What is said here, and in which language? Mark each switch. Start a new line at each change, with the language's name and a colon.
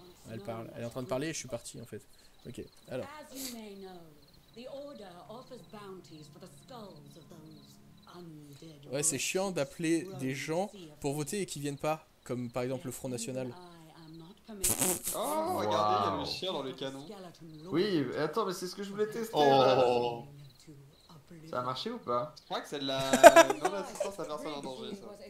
French: Elle parle. Elle est en train de parler et je suis parti en fait. Ok. Alors.
English: As you may know, the order offers bounties for the skulls of those undead.
French: Ouais, c'est chiant d'appeler des gens pour voter et qu'ils viennent pas, comme par exemple le Front National. Oh, wow. Regardez, il y a le chien dans le canon. Oui, attends, mais c'est ce que je voulais tester. Oh. Ça a marché ou pas? Je crois que c'est de la non-assistance à personne en danger, ça.